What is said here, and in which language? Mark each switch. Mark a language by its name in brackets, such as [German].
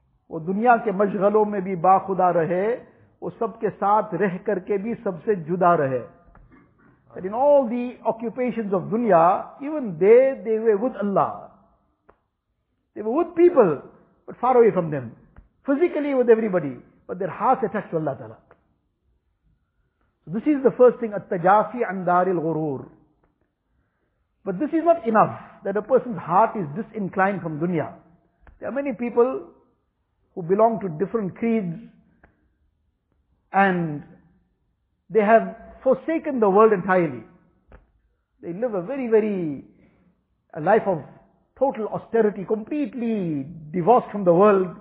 [Urdu] وہ دنیا کے مشغلوں میں بھی با خدا رہے وہ سب کے ساتھ رہ کر کے بھی سب سے جدا رہے. [English] And in all the occupations of dunya, even they were with Allah. They were with people, but far away from them. Physically with everybody, but their hearts attached to Allah Ta'ala. So this is the first thing, [Arabic] التجافي عن دار الغرور. [English] But this is not enough, that a person's heart is disinclined from dunya. There are many people who belong to different creeds, and they have forsaken the world entirely. They live a life of total austerity, completely divorced from the world.